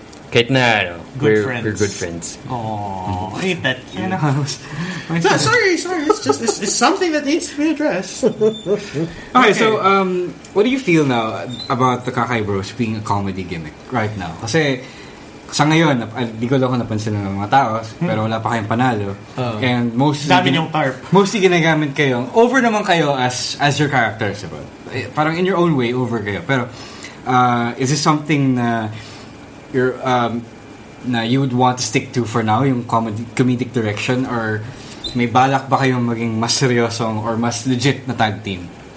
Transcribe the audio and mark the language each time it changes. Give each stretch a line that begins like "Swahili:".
Filipino: Kahit na ano,
English: we're good friends. Aww, ain't that cute. sorry, it's something that needs to be addressed. Okay, so what do you feel now about the Kakay Bros being a comedy gimmick right now?
Filipino: Kasi sa ngayon, di ko lang ako napansin ng mga tao, pero wala pa kayong panalo.
English: Uh-oh. And mostly,
Filipino: dami niyong tarp. Mostly ginagamit kayo, over naman kayo
English: as your characters.
Filipino: Diba? Parang
English: in your own way,
Filipino: over kayo. Pero
English: is this something na you would want to stick to for now,
Filipino: yung
English: comedic direction, or
Filipino: may balak ba kayong maging mas seryosong
English: or mas legit na tag team?